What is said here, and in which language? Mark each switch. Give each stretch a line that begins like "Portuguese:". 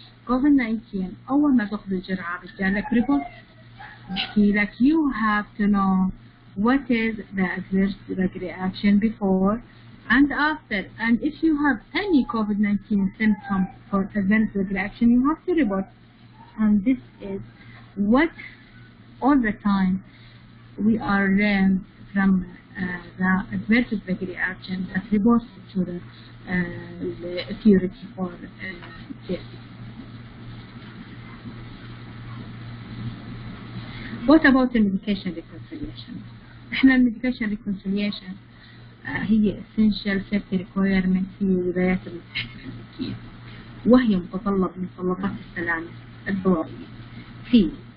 Arabic: كوفيد 19 اول ما تاخذ الجرعه بيجي لك ريبورت بيحكي لك
English: You have to know what is the adverse drug reaction before and after, and if you have any COVID-19 symptom for advanced drug reaction, you have to report. And this is what all the time we are learned from the adverse drug reaction that reports to the authority for this. What about the medication reconciliation?
Arabic: إحنا medication reconciliation هي
English: essential safety requirement
Arabic: في الولايات المتحدة الأمريكية، وهي متطلب من متطلبات السلامة الضرورية في